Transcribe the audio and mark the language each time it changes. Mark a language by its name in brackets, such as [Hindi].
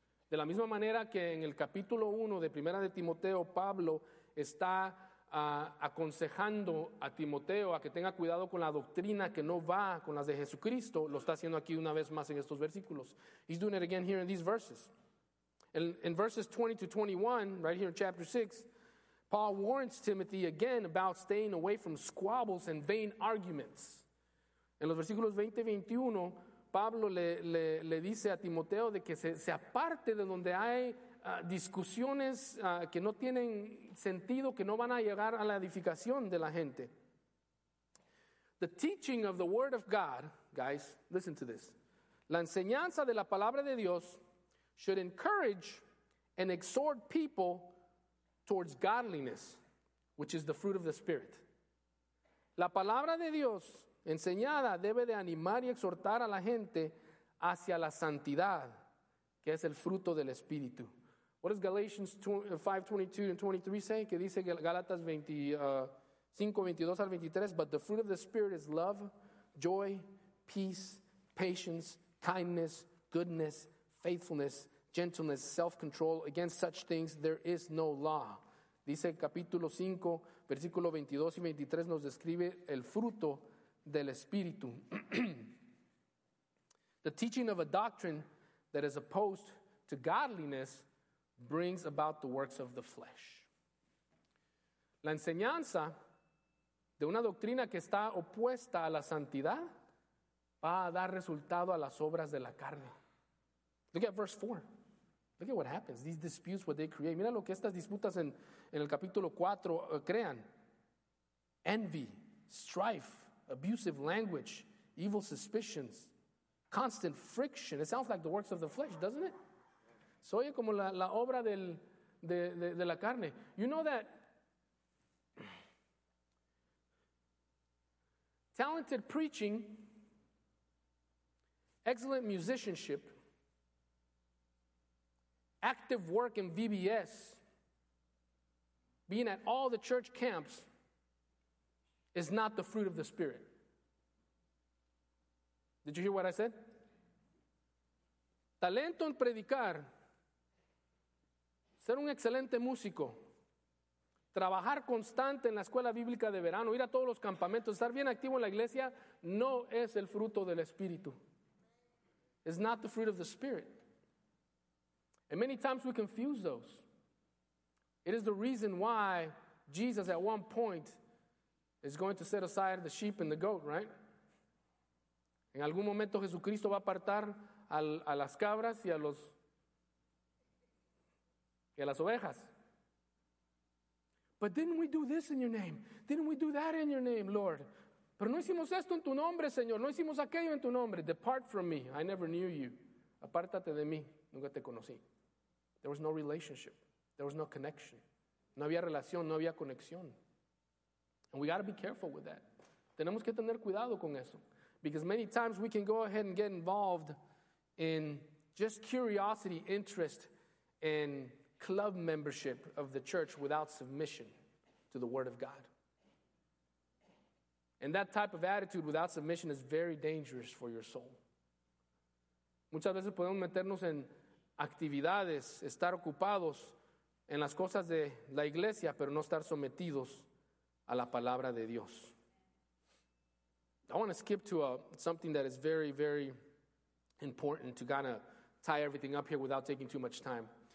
[Spanish] De la misma manera que en el capítulo 1 de Primera de Timoteo, Pablo está aconsejando a Timoteo a que tenga cuidado con la doctrina que no va con las de Jesucristo, lo está haciendo aquí una vez más en estos versículos. [English] He's doing it again here in these verses. In verses 20 to 21, right here in chapter 6, Paul warns Timothy again about staying away from squabbles and vain arguments. [Spanish] En los versículos 20 y 21, Pablo le dice a Timoteo de que se aparte de donde hay discusiones que no tienen sentido, que no van a llegar a la edificación de la gente. [English] The teaching of the word of God, guys, listen to this. [Spanish] La enseñanza de la palabra de Dios [English] should encourage and exhort people towards godliness, which is the fruit of the Spirit. [Spanish] La palabra de Dios enseñada debe de animar y exhortar a la gente hacia la santidad, que es el fruto del Espíritu. [English] What does Galatians 5:22 and 23 say? [Spanish] Que dice Galatas 5:22-23, [English] but the fruit of the Spirit is love, joy, peace, patience, kindness, goodness, faithfulness, gentleness, self-control. Against such things there is no law. [Spanish] Dice capítulo 5, versículo 22 y 23 nos describe el fruto del Espíritu. [English] The teaching of a doctrine that is opposed to godliness brings about the works of the flesh. [Spanish] La enseñanza de una doctrina que está opuesta a la santidad va a dar resultado a las obras de la carne. [English] Look at verse 4. Look at what happens. These disputes, what they create. [Spanish] Mira lo que estas disputas en el capítulo 4 crean. [English] Envy, strife, abusive language, evil suspicions, constant friction. It sounds like the works of the flesh, doesn't it? [Spanish] Se oye como la obra de la carne. [English] You know that talented preaching, excellent musicianship, active work in VBS, being at all the church camps, is not the fruit of the Spirit. Did you hear what I said? [Spanish] Talento en predicar, ser un excelente músico, trabajar constante en la escuela bíblica de verano, ir a todos los campamentos, estar bien activo en la iglesia, no es el fruto del Espíritu. [English] It's not the fruit of the Spirit. And many times we confuse those. It is the reason why Jesus at one point is going to set aside the sheep and the goat, right? [Spanish] En algún momento Jesucristo va a apartar a las cabras y a las ovejas. [English] But didn't we do this in your name? Didn't we do that in your name, Lord? [Spanish] Pero no hicimos esto en tu nombre, Señor. No hicimos aquello en tu nombre. [English] Depart from me. I never knew you. [Spanish] Apártate de mí. Nunca te conocí. [English] There was no relationship. There was no connection. [Spanish] No había relación. No había conexión. [English] And we got to be careful with that. [Spanish] Tenemos que tener cuidado con eso. [English] Because many times we can go ahead and get involved in just curiosity, interest, and club membership of the church without submission to the Word of God. And that type of attitude without submission is very dangerous for your soul. [Spanish] Muchas veces podemos meternos en actividades, estar ocupados en las cosas de la iglesia, pero no estar sometidos a la palabra de Dios. [English] I want to skip to something that is very, very important to kind of tie everything up here without taking too much time.